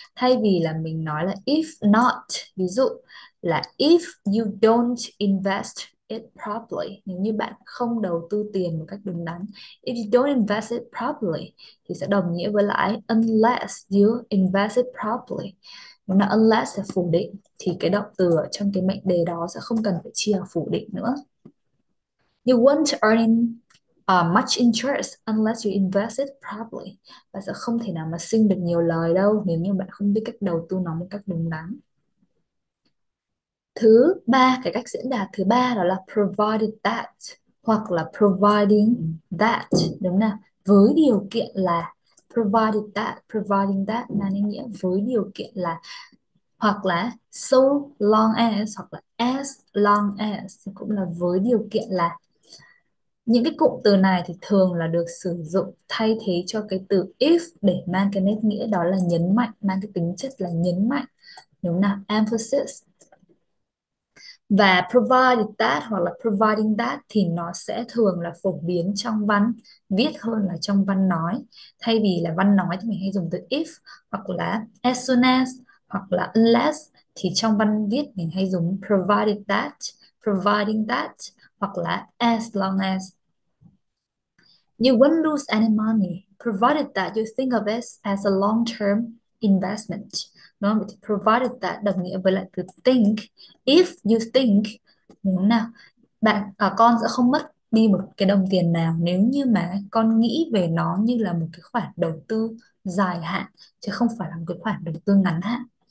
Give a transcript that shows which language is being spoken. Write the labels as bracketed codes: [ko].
[vi] Thay vì là mình nói là if not, ví dụ là if you don't invest it properly, nếu như bạn không đầu tư tiền một cách đúng đắn, if you don't invest it properly thì sẽ đồng nghĩa với lại unless you invest it properly. Nếu là unless là phủ định thì cái động từ ở trong cái mệnh đề đó sẽ không cần phải chia phủ định nữa. [en] You won't earn much interest unless you invest it properly. [vi] Bạn sẽ không thể nào mà sinh được nhiều lời đâu nếu như bạn không biết cách đầu tư nó một cách đúng đắn. Thứ ba, cái cách diễn đạt thứ ba đó là provided that, hoặc là providing that, đúng nào? Với điều kiện là provided that, providing that là nghĩa với điều kiện là, hoặc là so long as, hoặc là as long as cũng là với điều kiện là. Những cái cụm từ này thì thường là được sử dụng thay thế cho cái từ if để mang cái nét nghĩa đó là nhấn mạnh, mang cái tính chất là nhấn mạnh, đúng nào, emphasis. Và provided that hoặc là providing that thì nó sẽ thường là phổ biến trong văn viết hơn là trong văn nói. Thay vì là văn nói thì mình hay dùng từ if, hoặc là as soon as, hoặc là unless, thì trong văn viết mình hay dùng provided that, providing that, hoặc là as long as. [en] You won't lose any money provided that you think of it as a long term investment. [vi] Đúng không? Provided that đồng nghĩa với lại từ think. If you think, đúng nào, bạn và con sẽ không mất đi một cái đồng tiền nào nếu như mà con nghĩ về nó như là một cái khoản đầu tư dài hạn, chứ không phải là một cái khoản đầu tư ngắn hạn.